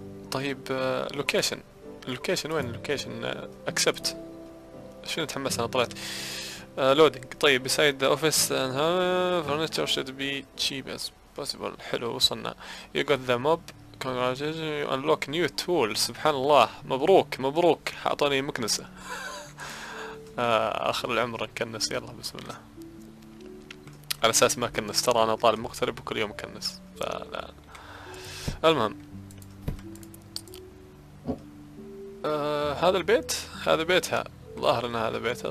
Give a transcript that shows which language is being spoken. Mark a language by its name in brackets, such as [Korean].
[Arabic] طيب لوكيشن، لوكيشن وين لوكيشن؟ أكسبت. شنو تحمس أنا طلعت لودينج. [English] طيب beside the office and furniture should be cheap as possible. حلو وصلنا. You got the mob. Congratulations, you unlock new tool. [Arabic] سبحان الله، مبروك مبروك، أعطوني مكنسة. آخر العمر نكنس، يلا بسم الله. على أساس ما كنس، ترى أنا طالب مغترب وكل يوم كنس، فلا. المهم، هذا البيت، هذا بيتها، ظاهر أن هذا بيتها.